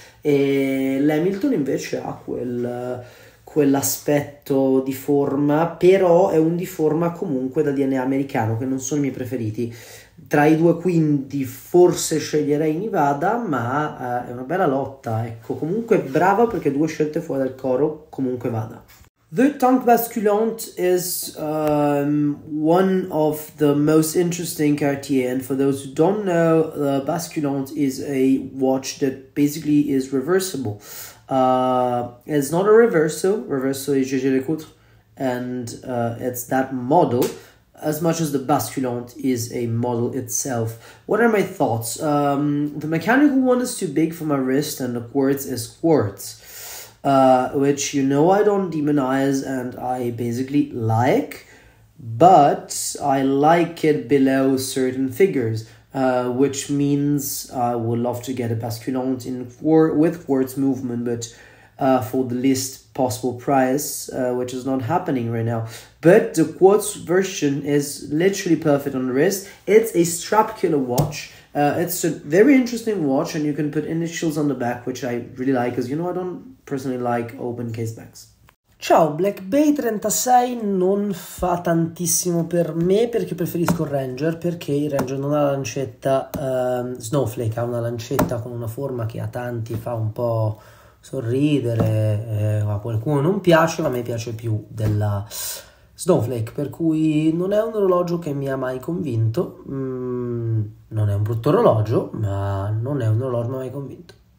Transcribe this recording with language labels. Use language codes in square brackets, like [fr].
[it] E l'Hamilton invece ha quell'aspetto di forma, però è un di forma comunque da DNA americano, che non sono i miei preferiti. Tra i due quindi forse sceglierei Nivada, ma è una bella lotta, ecco, comunque brava, perché due scelte fuori dal coro comunque vada. [en] The Tank Basculant is one of the most interesting Cartier, and for those who don't know, the Basculant is a watch that basically is reversible. It's not a reverso is Jaeger LeCoultre, and it's that model, as much as the Basculant is a model itself. What are my thoughts? The mechanical one is too big for my wrist, and the quartz is quartz. Which you know I don't demonize and I basically like, but I like it below certain figures, which means I would love to get a basculant in with quartz movement, but for the least possible prize, which is not happening right now. But the quartz version is literally perfect on the wrist. It's a strap killer watch. It's a very interesting watch, and you can put initials on the back, which I really like, because, you know, I don't personally like open case backs. [it] Ciao, Black Bay 36 non fa tantissimo per me perché preferisco il Ranger, perché il Ranger non ha la lancetta Snowflake, ha una lancetta con una forma che a tanti fa un po' sorridere, a qualcuno non piace, ma a me piace più della Snowflake, per cui non è un orologio che mi ha mai convinto, non è un brutto orologio, ma non è un orologio mai convinto.